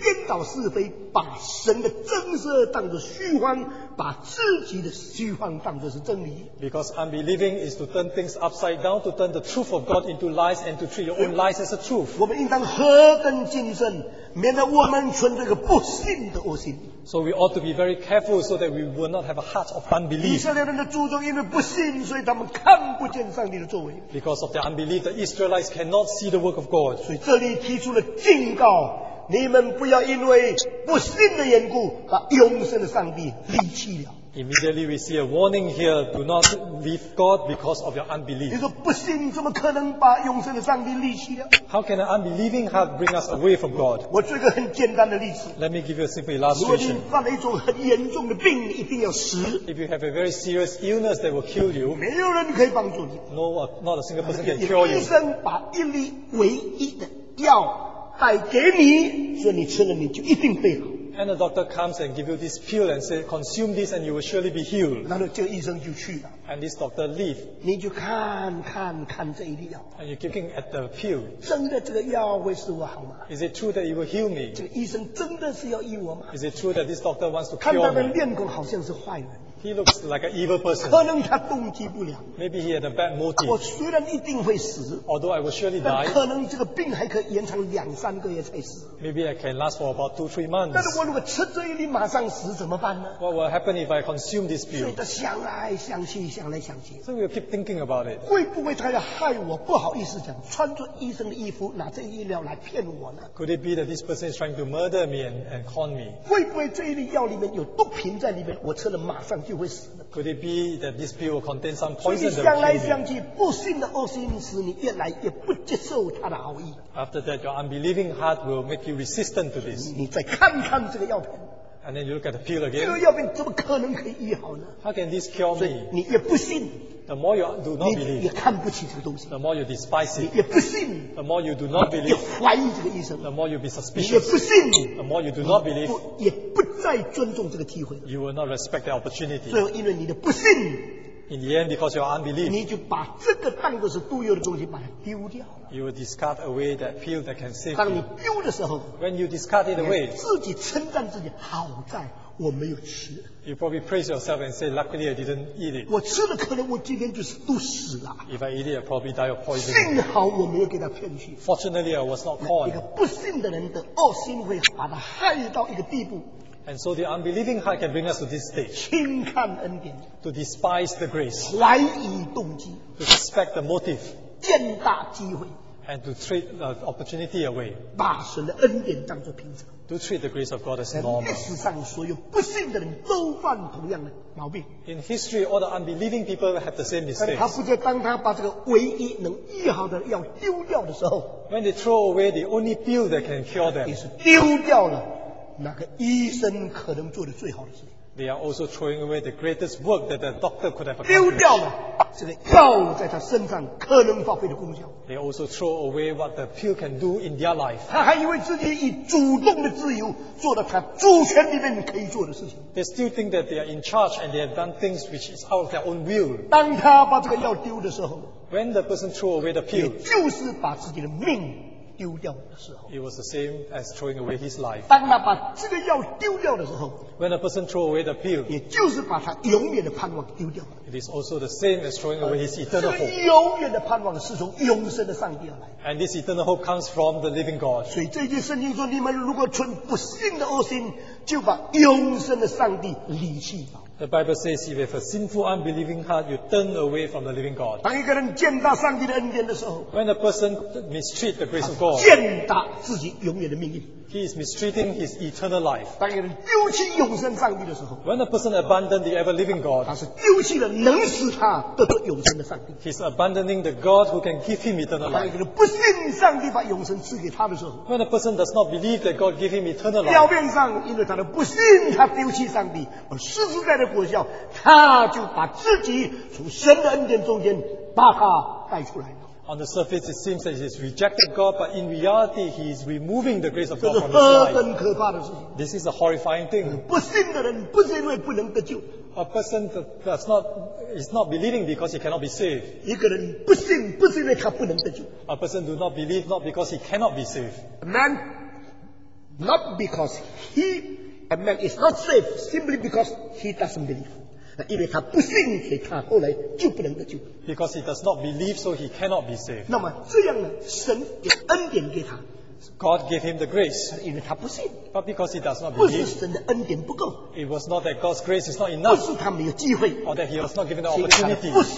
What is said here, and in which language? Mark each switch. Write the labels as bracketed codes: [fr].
[zh] 倒是非，把神的真实当作虚妄，把自己的虚妄当作是真理。 [en] Because unbelieving is to turn things upside down, to turn the truth of God into lies and to treat your own lies as a truth. [zh] 我们应当何等谨慎，免得我们存这个不信的恶心。 [en] So we ought to be very careful so that we will not have a heart of unbelief. [zh] 以色列人的祖宗因为不信，所以他们看不见上帝的作为。 [en] Because of their unbelief, the Israelites cannot see the work of God. [zh] 所以这里提出了警告。你们不要因为不信的缘故把永生的上帝离弃了。 [en] Immediately we see a warning here, do not leave God because of your unbelief. [zh] 你说不信怎么可能把永生的上帝离弃了？ [en] How can an unbelieving heart bring us away from God? [zh] 我举个很简单的例子。 [en] Let me give you a simple illustration. [zh] 如果你犯了一种很严重的病，一定要死。 [en] If you have a very serious illness that will kill you, [zh] 没有人可以帮助你。 [en] No, not a single person can cure you. [zh] 医生把一粒唯一的药带给你，所以你吃了你就一定会好。 [en] And the doctor comes and give you this pill and say, consume this and you will surely be healed. [zh] 然后这个医生就去了。 [en] And this doctor leave. [zh] 你就看看看这一粒药。 [en] And you're looking at the pill. [zh] 真的这个药会使我好吗？ [en] Is it true that it will heal me? [zh] 这个医生真的是要医我吗？ [en] Is it true that this doctor wants to cure me? [zh] 看他的面孔好像是坏人。 [en] He looks like an evil person. [zh] 可能他动机不良。 [en] Maybe he had a bad motive. [zh] 我虽然一定会死。 [en] Although I will surely die. [zh] 可能这个病还可以延长两三个月才死。 [en] Maybe I can last for about 2-3 months. [zh] 但是我如果吃这一粒马上死怎么办呢？ [en] What will happen if I consume this pill? [zh] 所以他想来想去，想来想去。 [en] So we'll keep thinking about it. [zh] 会不会他要害我？不好意思讲，穿着医生的衣服，拿这一粒药来骗我呢？ [en] Could it be that this person is trying to murder me and con me? [zh] 会不会这一粒药里面有毒品在里面？我吃了马上就。 [en] Could it be that this pill will contain some poison? [zh] 所以想来想去，不信的恶心使你越来越不接受他的好意。 [en] After that, your unbelieving heart will make you resistant to this. [zh] 你再看看这个药片。 [en] And then you look at the pill again. [zh] 这个药片怎么可能可以医好呢？ [en] How can this cure me? [zh] 你也不信。 [en] The more you do not believe, [zh] 你也看不起这个东西。 [en] The more you despise it, [zh] 你也不信。 [en] The more you do not believe, [zh] 你也怀疑这个医生。 [en] The more you be suspicious, [zh] 你也不信。 [en] The more you do not believe, [zh] 你也不再尊重这个机会。 [en] You will not respect the opportunity. [zh] 最后，因为你的不信。 [en] In the end, because you are unbelief, [zh] 你就把这个当作是独有的东西，把它丢掉。 [en] You will discard away that pill that can save you. [zh] 当你丢的时候 [en] ，When you discard it away, [zh] 你自己称赞自己，好在我没有吃。 [en] You probably praise yourself and say, luckily I didn't eat it. [zh] 我吃了，可能我今天就是都死了。 [en] If I eat it, I probably die of poison. [zh] 幸好我没有给他骗去。 [en] Fortunately, I was not caught. [zh] 一个不信的人的恶心会把他害到一个地步。 [en] And so the unbelieving heart can bring us to this stage. [zh] 轻看恩典。 [en] To despise the grace. [zh] 怀疑动机。 [en] To suspect the motive. [zh] 见大机会。 [en] And to treat the opportunity away. [zh] 把神的恩典当作平常。 [en] To treat the grace of God as normal. [zh] 历史上所有不信的人都犯同样的毛病。 [en] In history, all the unbelieving people have the same mistake. [zh] 他不觉得当他把这个唯一能医好的药丢掉的时候。 [en] When they throw away the only pill that can cure them. [zh] 也是丢掉了。那个医生可能做的最好的事。 [en] They are also throwing away the greatest work that the doctor could have accomplished. [zh] 丢掉了这个药在他身上可能发挥的功效。 [en] They also throw away what the pill can do in their life. [zh] 他还以为自己以主动的自由做了他主权里面可以做的事情。 [en] They still think that they are in charge and they have done things which is out of their own will. [zh] 当他把这个药丢的时候 [en] ，When the person threw away the pill， [zh] 也就是把自己的命。丢掉的时候 [en] ，It was the same as throwing away his life. [zh] 当他把这个药丢掉的时候 [en] ，When a person throw away the pill, [zh] 也就是把他永远的盼望丢掉了。 [en] It is also the same as throwing away his eternal hope. [zh] 这个永远的盼望是从永生的上帝而来。 [en] And this eternal hope comes from the living God. [zh] 所以这句圣经说，你们如果存不信的恶心，就把永生的上帝离弃了。 [en] The Bible says, if you have a sinful, unbelieving heart, you turn away from the living God. [zh] 当一个人践踏上帝的恩典的时候 [en] ，When a person mistreats the grace of God, [zh] 践踏自己永远的命运。 [en] He is mistreating his eternal life. [zh] 当一个人丢弃永生上帝的时候 [en] ，When a person abandons the ever living God, [zh] 他是丢弃了能使他得到永生的上帝。 [en] He is abandoning the God who can give him eternal life. [zh] 当一个人不信上帝把永生赐给他的时候 [en] ，When a person does not believe that God gave him eternal life, [zh] 表面上因为他的不信，他丢弃上帝，而实实在在果效，他就把自己从神的恩典中间把他带出来。 [en] On the surface, it seems that he has rejected God, but in reality, he is removing the grace of God from his life. This is a horrifying thing. [zh] 不信的人不是因为不能得救。 [en] A person does not is not believing because he cannot be saved. [zh] 一个人不信不是因为他不能得救。 [en] A person do not believe not because he cannot be saved. A man Not because he, a man, is not saved, simply because he doesn't believe. [zh] 因为他不信给他,后来就不能得救。 [en] Because he does not believe, so he cannot be saved. [zh] 那么这样呢, 神给恩典给他, [en] God gave him the grace. [zh] 因为他不信, [en] but because he does not believe, it was not that God's grace is not enough, [zh] 不是他没有机会, [en] or that he was not given the opportunity.